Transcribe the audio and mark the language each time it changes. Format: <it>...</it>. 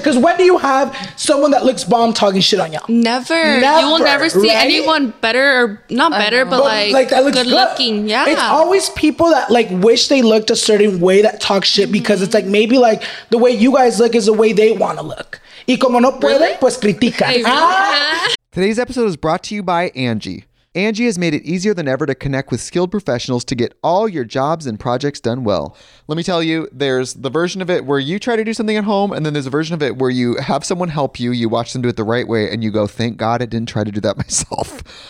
<en>Because when do you have someone that looks bomb talking shit on y'all? Never. You will never see anyone better or... Not better, but like that looks good looking. Yeah. It's always people that like wish they looked a certain way that talk shit because it's like maybe like the way you guys look is the way they want to look.</en> <es>Y como no puede, pues critica.</es> <en>Today's episode is brought to you by Angie. Angie has made it easier than ever to connect with skilled professionals to get all your jobs and projects done well. Let me tell you, there's the version of it where you try to do something at home, and then there's a version of it where you have someone help you, you watch them do it the right way, and you go, thank God I didn't try to do that myself.</en>